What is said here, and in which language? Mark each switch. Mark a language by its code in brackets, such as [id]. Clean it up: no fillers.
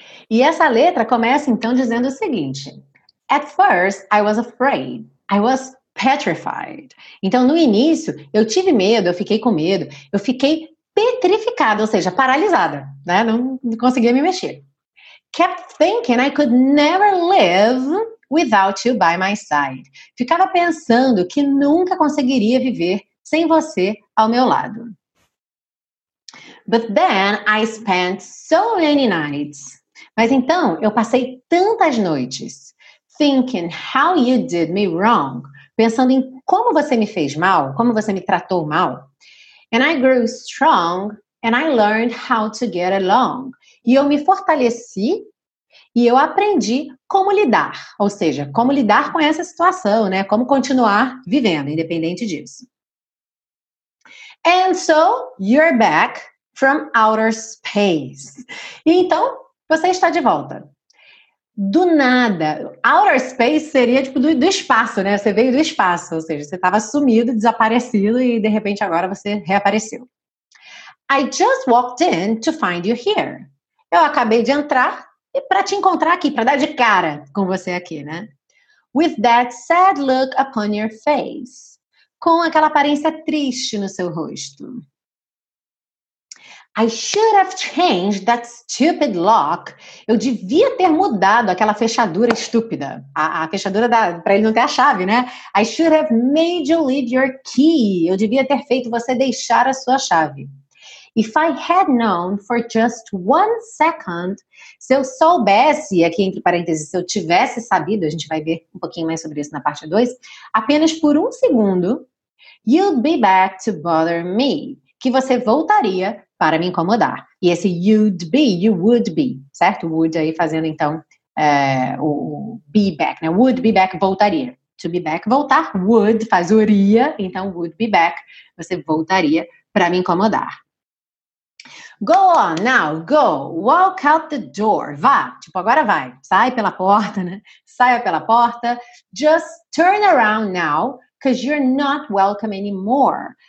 [pt] E essa letra começa, então, dizendo o seguinte. [en] At first, I was afraid. I was petrified. [pt] Então, no início, eu tive medo, eu fiquei com medo. Eu fiquei petrificada, ou seja, paralisada, né? Não conseguia me mexer. [en] Kept thinking I could never live without you by my side. [pt] Ficava pensando que nunca conseguiria viver sem você ao meu lado. [en] But then I spent so many nights. [pt] Mas então, eu passei tantas noites [en] thinking how you did me wrong, [pt] pensando em como você me fez mal, como você me tratou mal. [en] And I grew strong and I learned how to get along. [pt] E eu me fortaleci e eu aprendi como lidar, ou seja, como lidar com essa situação, né? Como continuar vivendo, independente disso. [en] And so, you're back from outer space. [pt] E então, você está de volta. Do nada. Outer space seria tipo do espaço, né? Você veio do espaço. Ou seja, você estava sumido, desaparecido e de repente agora você reapareceu. [en] I just walked in to find you here. [pt] Eu acabei de entrar e para te encontrar aqui, para dar de cara com você aqui, né? [en] With that sad look upon your face. [pt] Com aquela aparência triste no seu rosto. [en] I should have changed that stupid lock. [pt] Eu devia ter mudado aquela fechadura estúpida. A fechadura para ele não ter a chave, né? [en] I should have made you leave your key. [pt] Eu devia ter feito você deixar a sua chave. [en] If I had known for just 1 second, [pt] se eu soubesse, aqui entre parênteses, se eu tivesse sabido, a gente vai ver um pouquinho mais sobre isso na parte 2, apenas por 1 segundo, [en] you'd be back to bother me. [pt] Que você voltaria para me incomodar. E esse you would be, certo? Would aí fazendo, então, o be back, né? Would be back, voltaria. To be back, voltar. Would faz uria, então would be back. Você voltaria para me incomodar. [en] Go on now, go, walk out the door. [pt] Vá, tipo, agora vai. Sai pela porta, né? Saia pela porta. [en] Just turn around now, because you're not welcome anymore.